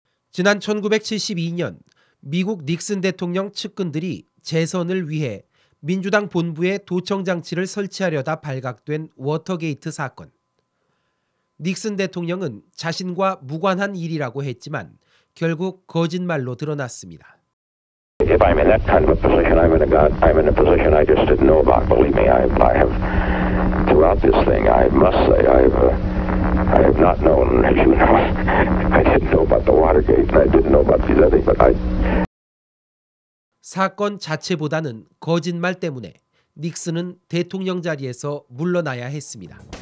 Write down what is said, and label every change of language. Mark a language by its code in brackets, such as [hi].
[ko] 지난 1972년 미국 닉슨 대통령 측근들이 재선을 위해 민주당 본부에 도청 장치를 설치하려다 발각된 워터게이트 사건. 닉슨 대통령은 자신과 무관한 일이라고 했지만 결국 거짓말로 드러났습니다. [en] If I'm in that kind of a position, I'm in a position I just didn't know about. Believe me, I have throughout this thing, I must say, I have not known, as you know, I didn't know about the Watergate, and I didn't know about these other things, but I. [ko] 사건 자체보다는 거짓말 때문에 닉슨은 대통령 자리에서 물러나야 했습니다.